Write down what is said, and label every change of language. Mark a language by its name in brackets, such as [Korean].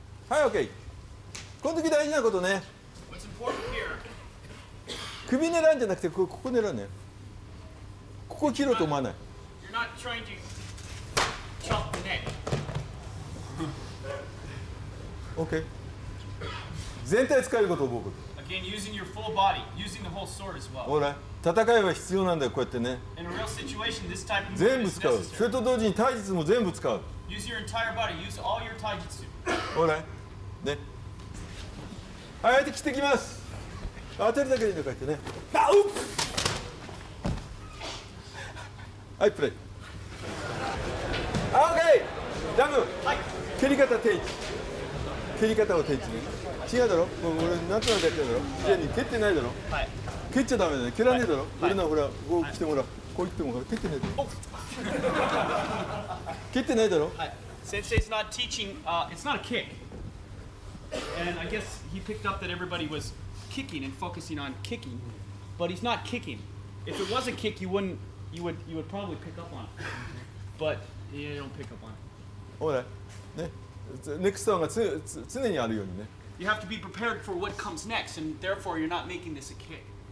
[Japanese] い、OK。この時大事なことね。 [English] What's important here? [Japanese] 首狙うんじゃなくて、ここ狙うね。ここ切ろうと思わない。 [English] You're not trying to chop the neck. OK。 [Japanese] 全体使えることを覚える。 [English] Again, using your full body, using the whole sword as well. [Japanese] ほら、戦いは必要なんだよ、こうやってね。 [English] In a real situation, this type of [Japanese] 全部使う。それと同時に体術も全部使う。 [English] Use your entire body. Use all your taijutsu. [Japanese] ほら、ね。はい、相手切ってきます。当てるだけでいいのかってね。あ、うっ。はい、プレイ。あ、OK。ダム。はい。蹴り方定置。蹴り方を定置ね。違うだろ。俺なんとなくやってるだろ。自然に蹴ってないだろ。はい。蹴っちゃダメだね。蹴らねえだろ。はい、俺のほら、こう来てもらう。こう言ってもほら、蹴ってないだろ。おっ。蹴ってないだろ。はい。 [English] 先生、it's not teaching, it's not a kick. And I guess he picked up that everybody was kicking and focusing on kicking, but he's not kicking. If it was a kick, you would probably pick up on it. But you don't pick up on it. All right. [Japanese] ね、ネクストが常にあるようにね。 [English] You have to be prepared for what comes next, and therefore you're not making this a kick.